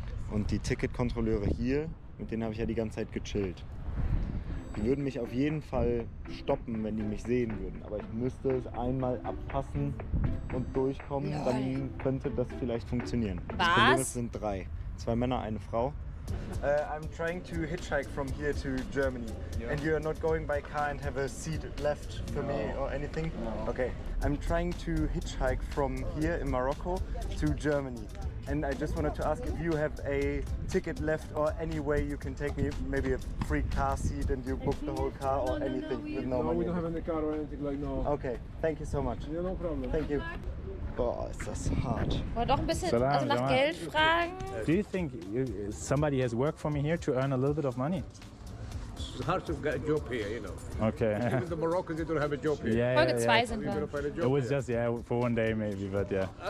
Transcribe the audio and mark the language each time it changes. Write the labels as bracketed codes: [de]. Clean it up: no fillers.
[de] Und die Ticketkontrolleure hier, mit denen habe ich ja die ganze Zeit gechillt. Die würden mich auf jeden Fall stoppen, wenn die mich sehen würden. Aber ich müsste es einmal abpassen und durchkommen, dann könnte das vielleicht funktionieren. Was? Das Problem ist, es sind drei. Zwei Männer, eine Frau. [en] I'm trying to hitchhike from here to Germany. Yeah. And you are not going by car and have a seat left for no. me or anything? No. Okay. I'm trying to hitchhike from here in Morocco to Germany. And I just wanted to ask if you have a ticket left or any way you can take me, maybe a free car seat and you book the whole car or anything with no money. No, we don't have any car or anything like no. Okay, thank you so much. Yeah, no problem. Thank you. [de] Boah, ist das hart. War doch ein bisschen, Salam, also nach Geld fragen. [en] Do you think somebody has worked for me here to earn a little bit of money? It's hard to get a job here, you know. Okay. Even the Moroccans, they don't have a job here. Yeah, [de] Folge 2 [en] yeah. [de] sind wir. [en] It was just, yeah, for one day maybe, but yeah.